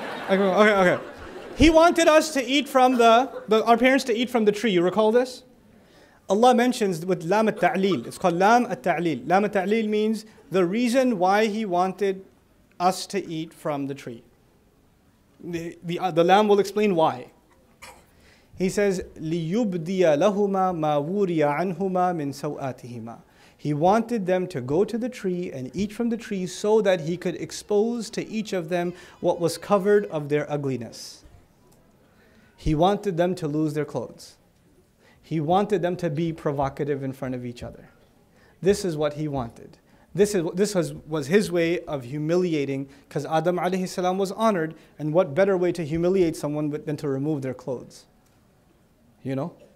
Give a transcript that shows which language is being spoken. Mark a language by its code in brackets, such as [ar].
[en] Okay. He wanted us to eat from our parents to eat from the tree. You recall this? Allah mentions with Lam al-Ta'lil, it's called Lam al-Ta'lil. Lam al-Ta'lil means the reason why he wanted us to eat from the tree. The Lam will explain why. He says, [ar] لِيُبْدِيَ لَهُمَا مَا وُرِيَ عَنْهُمَا مِنْ سَوْآتِهِمَا. [en] He wanted them to go to the tree and eat from the tree so that he could expose to each of them what was covered of their ugliness. He wanted them to lose their clothes. He wanted them to be provocative in front of each other. This is what he wanted. This was his way of humiliating, because Adam alayhi salam was honored, and what better way to humiliate someone than to remove their clothes? You know?